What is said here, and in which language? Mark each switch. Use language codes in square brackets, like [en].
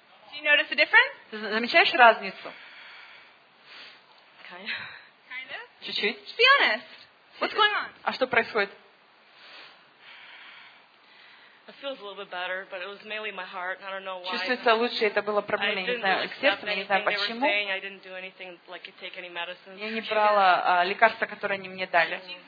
[en] Do you notice a difference? [ru] Замечаешь разницу? [en] Kind of. [ru] Чуть-чуть. [en] Just be honest. What's going on? [ru] А что происходит? [en] It feels a little bit better, but it was mainly my heart. I don't know why. [ru] Чувствуется лучше, это было проблемой, не знаю, сердцем, не знаю почему. [en] I didn't do anything, like take any medicines. [ru] Я не брала лекарства, которые они мне дали.